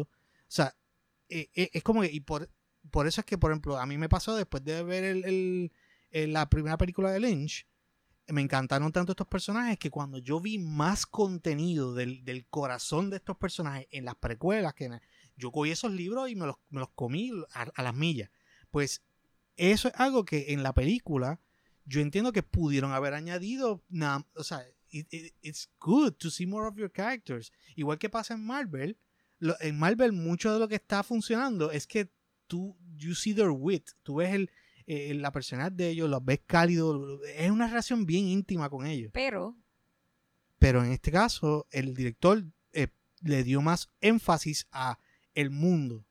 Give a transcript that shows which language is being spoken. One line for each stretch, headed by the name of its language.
Spanish: O sea, es como que... Y por eso es que, por ejemplo, a mí me pasó después de ver la primera película de Lynch, me encantaron tanto estos personajes que cuando yo vi más contenido del corazón de estos personajes en las precuelas que en... Yo cogí esos libros y me los comí a las millas. Pues eso es algo que en la película yo entiendo que pudieron haber añadido. O sea,
English: it's good to see more of your characters.
Spanish: Igual que pasa en Marvel. En Marvel mucho de lo que está funcionando es que tú,
English: you see their wit.
Spanish: Tú ves la personalidad de ellos, los ves cálidos. Es una relación bien íntima con ellos. Pero en este caso, el director le dio más énfasis a el mundo.